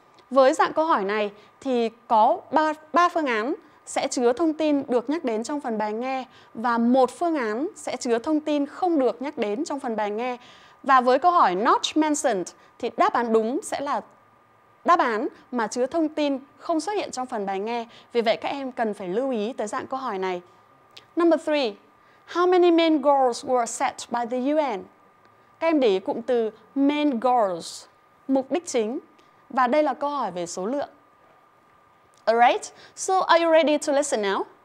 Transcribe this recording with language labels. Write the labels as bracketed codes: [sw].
[vi] Với dạng câu hỏi này thì có 3 phương án sẽ chứa thông tin được nhắc đến trong phần bài nghe và 1 phương án sẽ chứa thông tin không được nhắc đến trong phần bài nghe. Và với câu hỏi [en] not mentioned [vi] thì đáp án đúng sẽ là đáp án mà chứa thông tin không xuất hiện trong phần bài nghe. Vì vậy các em cần phải lưu ý tới dạng câu hỏi này. [en] Number 3. How many main goals were set by the UN? [vi] Các em để ý cụm từ [en] main goals, [vi] mục đích chính. Và đây là câu hỏi về số lượng. [en] Alright, so are you ready to listen now?